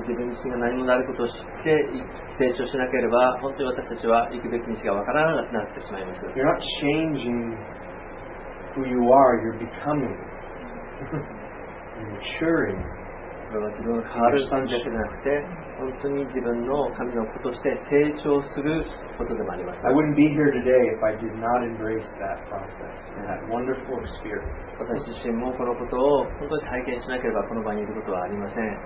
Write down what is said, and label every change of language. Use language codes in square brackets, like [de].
[ja] 自分自身が何者であることを知って成長しなければ本当に私たちは行くべき道がわからなくなってしまいます。 [en] You're not changing who you are, you're becoming maturing。 [ja] それは自分が変わるだけじゃなくて本当に自分の神の子として成長することでもあります。 [en] I wouldn't be here today if I did not embrace that process and that wonderful experience. [ja] 私自身もこのことを本当に体験しなければこの場にいることはありません。